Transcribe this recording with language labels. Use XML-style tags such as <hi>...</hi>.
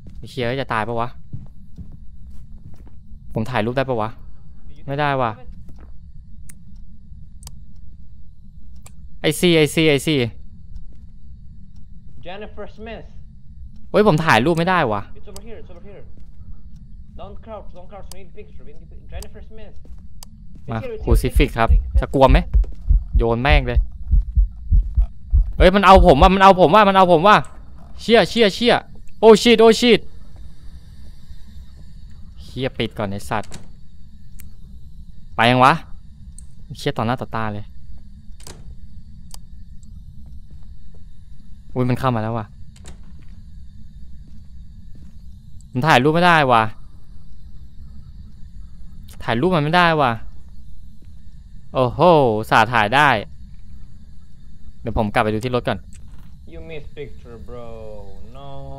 <th>เฮียจะตายปะวะผมถ่ายรูปได้ปะวะไม่ได้ว่ะ</th> <en>I see Jennifer Smith</en> <th>เฮ้ยผมถ่ายรูปไม่ได้วะ</th> <en>It's over here, it's over here don't crouch, we need picture we need... Jennifer Smith</en> <th>มาครูซิฟิกครับจะกลัวไหมโยนแม่งเลยเฮ้ยมันเอาผมว่ามันเอาผมว่ามันเอาผมว่าเชี่ยเชี่ยเชี่ยโอชิตโอชิตเชี่ยปิดก่อนไอ้สัตว์ไปยังวะเชี่ยต่อหน้าต่อตาเลย อุ้ยมันเข้ามาแล้วว่ะมันถ่ายรูปไม่ได้ว่ะถ่ายรูปมันไม่ได้ว่ะโอ้โหสาถ่ายได้เดี๋ยวผมกลับไปดูที่รถก่อน</th> <en>You missed picture bro No</en>